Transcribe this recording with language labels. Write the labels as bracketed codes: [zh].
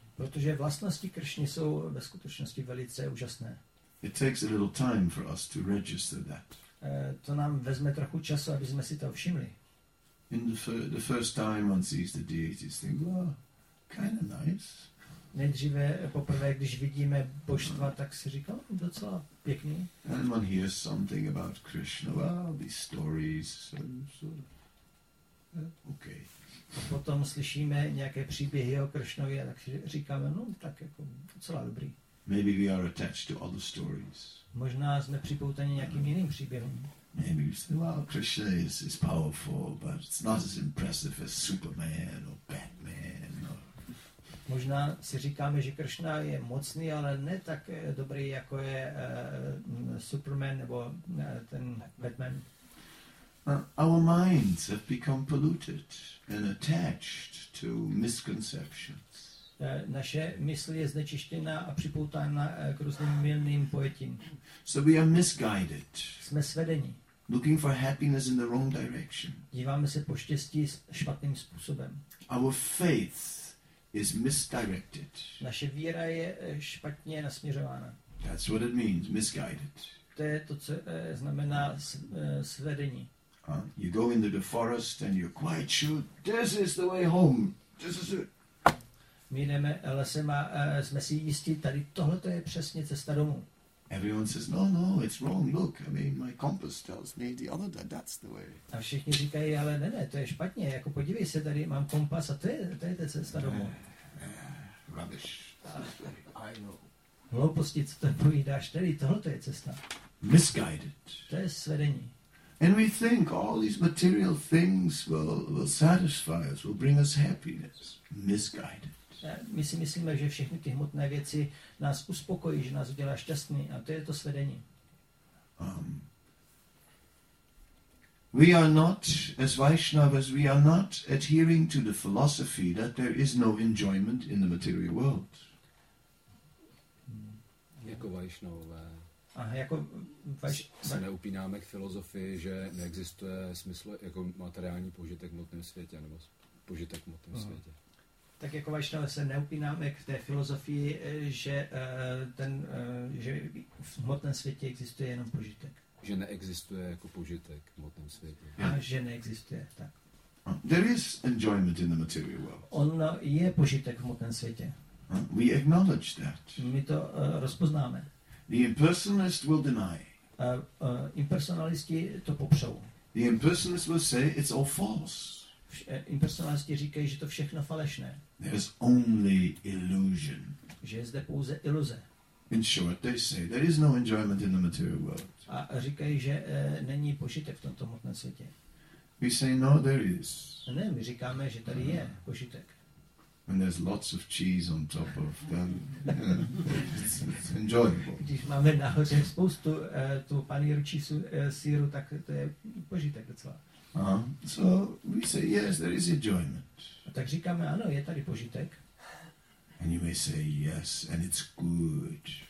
[cs] Protože vlastnosti Krishny jsou ve skutečnosti velice úžasné. [en] It takes a little time for us to register that. [cs] To nám vezme trochu času, aby jsme si to všimli. [en] In the first time one sees the deities, think, well, kind of nice. [cs] Nejdříve, poprvé, když vidíme božstva, tak si říká, docela pěkný. [en] And one hears something about Krishna, well, these stories, okay. [cs] A potom slyšíme nějaké příběhy o Krishnovi a tak říkáme, no, tak jako docela dobrý. [en] Maybe we are attached to other stories. [cs] Možná jsme připoutaní nějakým jiným příběhem. [en] Maybe we say, well, Krishna is powerful, but it's not as impressive as Superman or Batman. [cs] Možná si říkáme, že Krishna je mocný, ale ne tak dobrý, jako je Superman nebo ten Batman. [en] Our minds have become polluted and attached to misconceptions. [cs] Naše mysl je znečištěna a připoutána k různým mylným pojetím. [en] So we are misguided. [cs] Jsme svedení. [en] Looking for happiness in the wrong direction. [cs] Díváme se po štěstí špatným způsobem. [en] Our faith is misdirected. [cs] Naše víra je špatně nasměřována. [en] That's what it means, misguided. [cs] To je to, co znamená svedení. [en] You go into the forest and you're quite sure this is the way home. This is it. [cs] My jdeme lesem a jsme si jistí, tady tohleto je přesně cesta domů. [en] Everyone says, no, it's wrong, look, I mean, my compass tells me the other, that's the way. [cs] A všichni říkají, ale ne, to je špatně, jako podívej se, tady mám kompas a to je ta cesta domů. [en] Rubbish. [cs] Hlouposti, co to povídáš, tady tohle je cesta. [en] Misguided. [cs] To je svedení. [en] And we think all these material things will satisfy us, will bring us happiness. Misguided. [cs] My si myslíme, že všechny ty hmotné věci nás uspokojí, že nás udělá šťastný, a to je to svedení. [en] We are not, as Vaishnavas, we are not adhering to the philosophy that there is no enjoyment in the material world. [cs] Jako Vaishnavové. Aha, jako se neupínáme k filozofii, že neexistuje smysl jako materiální požitek v hmotném světě, nebo požitek v hmotném světě. Tak jako Vaishnavové se neupínáme k té filozofii, že ten, že v hmotném světě existuje jenom požitek. Že neexistuje jako požitek v hmotném světě. [en] Yeah. [cs] A že neexistuje, tak. [en] There is enjoyment in the material world. [cs] Ono je požitek v hmotném světě. [en] We acknowledge that. [cs] My to rozpoznáme. [en] The impersonalist will deny. [cs] Impersonalisti to popřou. [en] The impersonalist will say it's all false. [cs] Impersonalisti říkají, že to všechno falešné. [en] There is only illusion. [cs] Že je zde pouze iluze. [en] In short, they say there is no enjoyment in the material world. [cs] A říkají, že není požitek v tomto hmotném světě. [en] We say no, there is. [cs] Ne, my říkáme, že tady je požitek. [en] And there's lots of cheese on top of them. It's enjoyable. [cs] Když máme nahoře spoustu tu panýru čísu sýru, tak to je požitek docela. [en] So we say yes, there is enjoyment. [cs] A tak říkáme ano, je tady požitek. [en] And you may say yes, and it's good.